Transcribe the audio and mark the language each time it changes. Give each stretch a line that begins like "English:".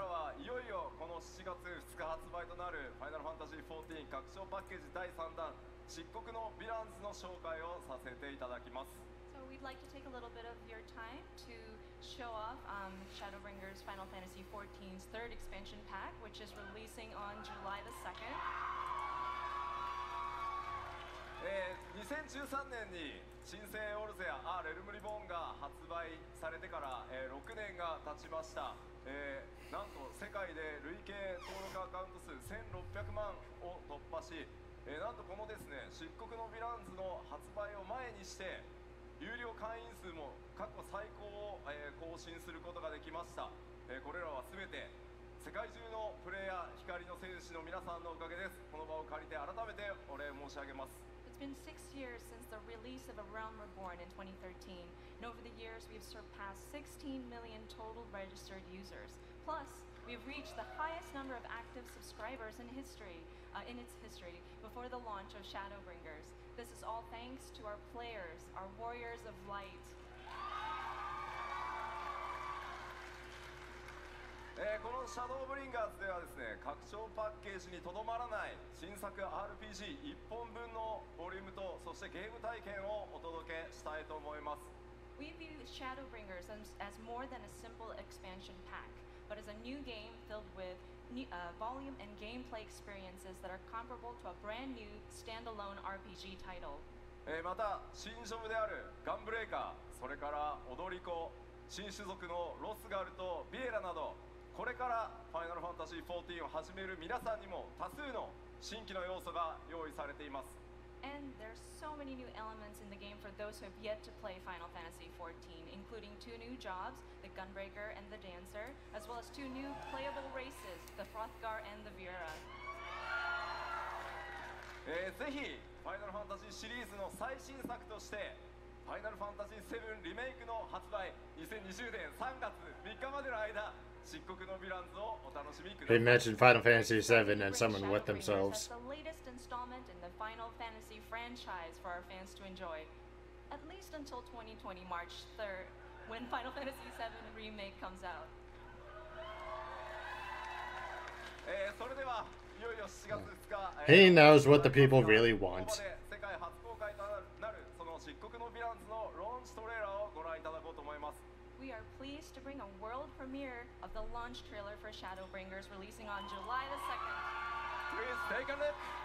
English: So we'd like to take a little bit of your time to show off Shadowbringers Final Fantasy XIV's third expansion pack, which is releasing on July the 2nd.
Japanese: 2013年に新生オルゼア、ア・レルムリボーンが発売されてから6年が経ちました。なんと世界で累計登録アカウント数1600万を突破し、なんとこのですね、漆黒のヴィランズの発売を前にして有料会員数も過去最高を更新することができました。これらは全て世界中のプレイヤー、光の戦士の皆さんのおかげです。この場を借りて改めてお礼申し上げます。
English: It's been 6 years since the release of A Realm Reborn in 2013, and over the years we have surpassed 16 million total registered users. Plus, we have reached the highest number of active subscribers in history, in its history, before the launch of Shadowbringers. This is all thanks to our players, our Warriors of Light.
Japanese: このシャドーブリンガーズではですね、拡張パッケージにとどまらない新作 RPG 一本分のボリュームと、そしてゲーム体験をお届けしたいと思います。
English: We view Shadowbringers as more than a simple expansion pack, but as a new game filled with volume and gameplay experiences that are comparable to a brand new standalone RPG title.
Japanese: また新ジョブであるガンブレイカー、それから踊り子、新種族のロスガルとビエラなど、これからファイナルファンタジー14を始める皆さんにも多数の新規の要素が用意されています。
English: And there are so many new elements in the game for those who have yet to play Final Fantasy 14, including two new jobs, the Gunbreaker and the Dancer, as well as two new playable races, the Frothgar and the Vira.
Japanese: ぜひファイナルファンタジーシリーズの最新作としてファイナルファンタジー7リメイクの発売、2020年3月3日までの間、漆黒のヴィランズをお楽しみください。
English: He mentioned Final Fantasy 7 and someone wet themselves. The latest installment in the Final Fantasy franchise for our fans to enjoy. At least until 2020 March 3rd, when Final Fantasy 7 Remake comes out.
Japanese: それではいよいよ7月2日。
English: He knows what the people really want.
Japanese: 世界初公開となるその漆黒のヴィランズのローンチトレーラーをご覧いただこうと思います。
English: We are pleased to bring a world premiere of the launch trailer for Shadowbringers, releasing on July the 2nd. Please take a look.